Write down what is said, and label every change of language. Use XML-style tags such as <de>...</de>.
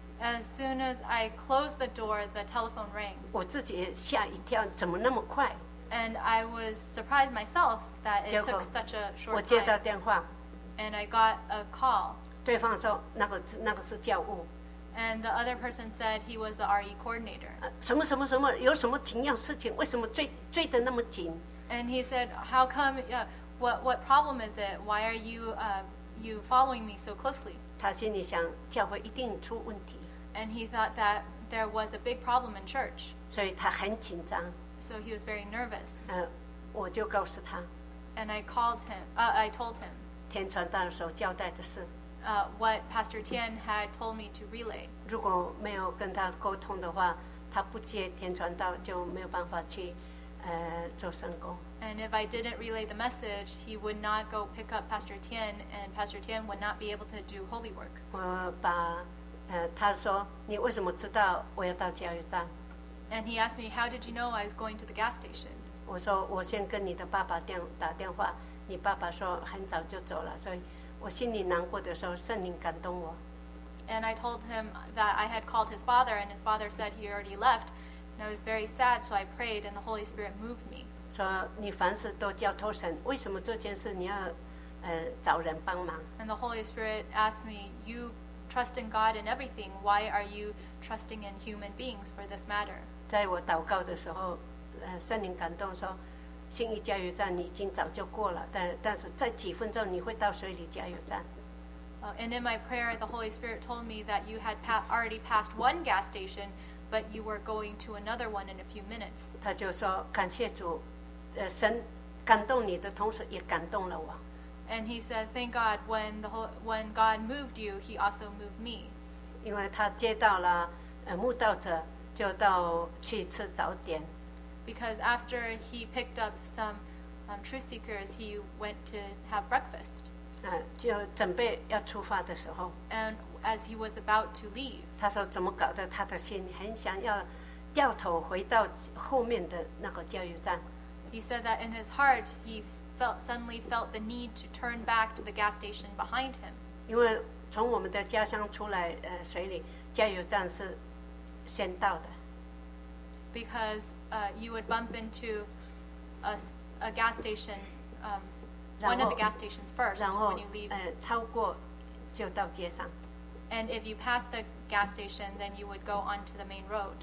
<en>As soon as I closed the door, the telephone rang.</en> <zh>我自己吓一跳, 怎么那么快?</zh> <en>And I was surprised myself that it took such a short time.</en> <zh>我接到电话,</zh> <en>and I got a call.</en> <zh>对方说, 那个是教务。</zh> <en>And the other person said he was the RE coordinator.</en> <zh>什么什么什么, 有什么紧要事情, 为什么追得那么紧?</zh> <en>And he said, how come, what problem is it? Why are you, you following me so closely?</en> <zh>他心里想, 教会一定出问题。</zh> <en>And he thought that there was a big problem in church.</en> <zh>所以他很紧张。</zh> <en>So he was very nervous.</en> <zh>我就告诉他。</zh> <en>And I called him, I told him.</en> <zh>天传道的时候交代的事,</zh> <en>what Pastor Tian had told me to relay.</en> <zh>如果没有跟他沟通的话,他不接天传道就没有办法去做圣工。</zh> <en>And if I didn't relay the message, he would not go pick up Pastor Tian, and Pastor Tian would not be able to do holy work.</en> <zh>我把他说你为什么知道我要到加油站？</zh> <en>And he asked me, how did you know I was going to the gas station?</en> <zh>我说我先跟你的爸爸打电话，你爸爸说很早就走了，所以我心里难过的时候，圣灵感动我。</zh> <en>And I told him that I had called his father, and his father said he already left. And I was very sad, so I prayed, and the Holy Spirit moved me.</en> <zh>说你凡事都交托神，为什么这件事你要找人帮忙？</zh> <en>And the Holy Spirit asked me, you trust in God in everything. Why are you trusting in human beings for this matter?</en> <zh>在我祷告的时候，圣灵感动说，新义加油站你已经早就过了，但是在几分钟你会到水里加油站。</zh> <en>And in my prayer, the Holy Spirit told me that you had already passed one gas station, but you were going to another one in a few minutes.</en> <zh>他就说感谢主，神感动你的同时也感动了我。</zh> <en>And he said, thank God, when God moved you, he also moved me.</en> <zh>因为他接到了慕道者，就到去吃早点。</zh> <en>Because after he picked up some truth seekers, he went to have breakfast.</en> <zh>就准备要出发的时候。</zh> <en>And as he was about to leave,</en> <zh>他说怎么搞得他的心很想要掉头回到后面的那个加油站。</zh> <en>He said that in his heart, he suddenly felt the need to turn back to the gas station behind him.</en> <zh>因为从我们的家乡出来，水里加油站是先到的。</zh> <en>Because you would bump into a gas station, one of the gas stations first when you leave.</en> <zh>超过就到街上。</zh> <en>And if you pass the gas station, then you would go onto the main road.</en>